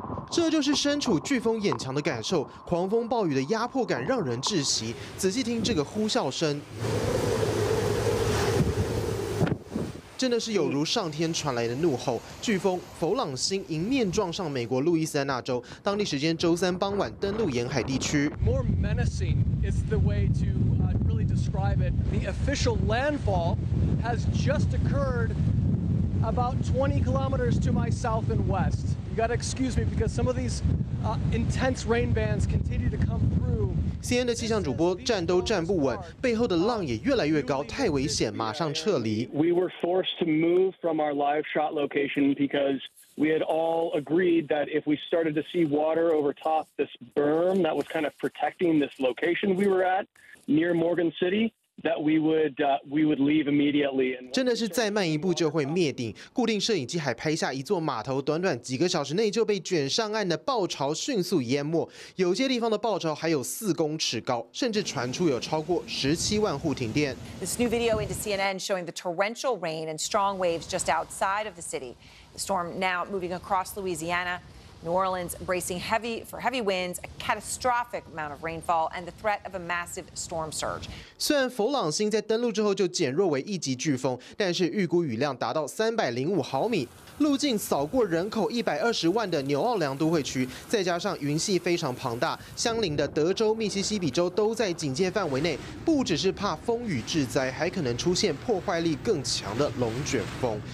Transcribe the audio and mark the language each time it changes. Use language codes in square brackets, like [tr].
[zh] 这就是身处飓风眼墙的感受，狂风暴雨的压迫感让人窒息。仔细听这个呼啸声，真的是有如上天传来的怒吼。飓风佛朗星迎面撞上美国路易斯安那州，当地时间周三傍晚登陆沿海地区。 [en] More menacing is the way to really describe it. The official landfall has just occurred about 20 kilometers to my south and west. You gotta excuse me because some of these intense rain bands continue to come through. [zh] CNN 的气象主播站都站不稳，背后的浪也越来越高，太危险，马上撤离。 [en] We were forced to move from our live shot location because we had all agreed that if we started to see water over top this berm that was kind of protecting this location we were at near Morgan City. That we would leave immediately. [zh] 真的是再慢一步就会灭顶。固定摄影机还拍下一座码头，短短几个小时内就被卷上岸的暴潮迅速淹没。有些地方的暴潮还有4公尺高，甚至传出有超过170,000户停电。 [en] This new video into CNN showing the torrential rain and strong waves just outside of the city. The storm now moving across Louisiana. New Orleans bracing heavy for heavy winds, a catastrophic amount of rainfall, and the threat of a massive storm surge. [zh] 虽然佛朗星在登陆之后就减弱为一级飓风，但是预估雨量达到305毫米，路径扫过人口1,200,000的纽奥良都会区，再加上云系非常庞大，相邻的德州、密西西比州都在警戒范围内。不只是怕风雨致灾，还可能出现破坏力更强的龙卷风。